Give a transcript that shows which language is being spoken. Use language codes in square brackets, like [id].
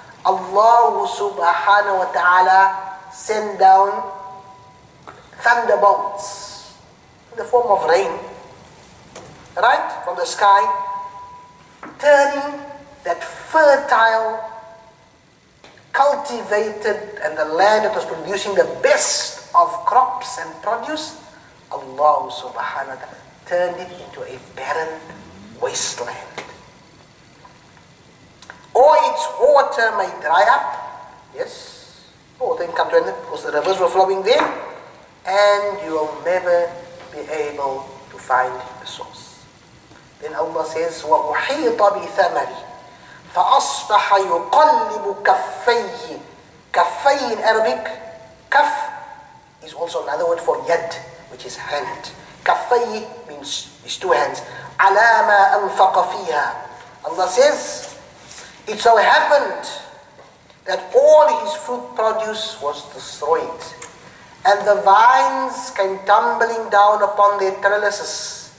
[en] Allah subhanahu wa ta'ala sent down thunderbolts in the form of rain, right, from the sky, turning that fertile, cultivated, and the land that was producing the best of crops and produce, Allah subhanahu wa ta'ala turned it into a barren wasteland. Or its water may dry up. Yes. Water can come to an end because the rivers were flowing there. And you will never be able to find the source. Then Allah says, [ar] وَأُحِيطَ بِثَمَرِ فَأَصْبَحَ يُقَلِّبُ كَفَّيْهِ. [en] كَفَّي in Arabic, kaf is also another word for yad, which is hand. كَفَّي means his two hands. [ar] عَلَى مَا أَنْفَقَ فِيهَا. [en] Allah says, it so happened that all his fruit produce was destroyed, and the vines came tumbling down upon their trellises.